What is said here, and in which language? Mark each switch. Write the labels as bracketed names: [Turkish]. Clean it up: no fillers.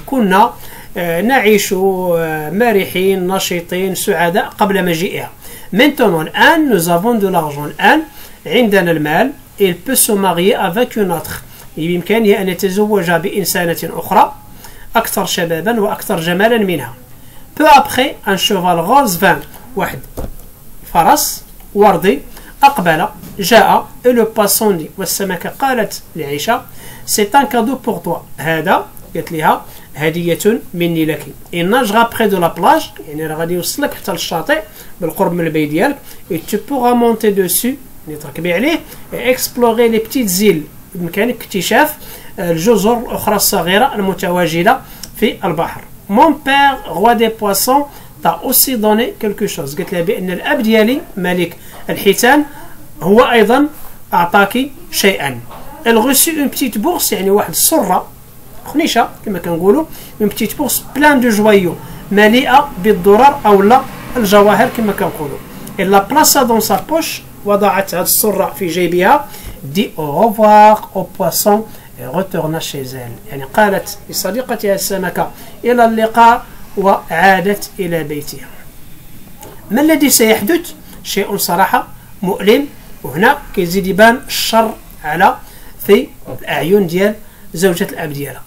[Arabic] كنا نعيش مرحين نشيطين سعداء قبل مجيئها. [French] Maintenant, الآن nous avons de l'argent. [Arabic] الآن عندنا المال. [French] Il peut se marier avec une autre. [Arabic] بإمكانه أن يتزوج بإنسانة أخرى أكثر شبابا وأكثر جمالا منها. [French] Peu après, un cheval rose vint. [Arabic] واحد فرس وردي أقبل جاء. [French] Et le poisson dit. [Arabic] والسمكة قالت لعيشة. [French] C'est un cadeau pour toi. [Arabic] هذا قالت لها هدية مني لك. [French] Il nagera près de la plage. [Arabic] يعني راه غادي يوصلك حتى للشاطئ بالقرب من البيت ديالك. [French] Et tu pourras monter dessus. [Arabic] يعني تركبي عليه. [French] Et explorer les petites îles. [Arabic] بإمكانك اكتشاف الجزر الأخرى الصغيرة المتواجدة في البحر. [French] Mon père, roi des poissons, t'a aussi donné quelque chose. [Arabic] قالت لها بأن الأب ديالي ملك الحيتان هو أيضا أعطاك شيئا. [French] Elle reçut une petite bourse, [Arabic] يعني واحد السرة خنيشة كما كنقولوا. [French] Une petite bourse plein de joyaux, [Arabic] مليئة بالدرر أو لا الجواهر كما كنقولوا. [French] Elle la plaça dans sa poche, [Arabic] وضعت هذه السرة في جيبها. [French] Dit au revoir au poisson et retourna chez elle. [Arabic] يعني قالت لصديقتها السمكة إلى اللقاء وعادت إلى بيتها. ما الذي سيحدث؟ شيء صراحة مؤلم. وهنا كيزيد يبان الشر على في الأعين ديال زوجة الأب ديالها.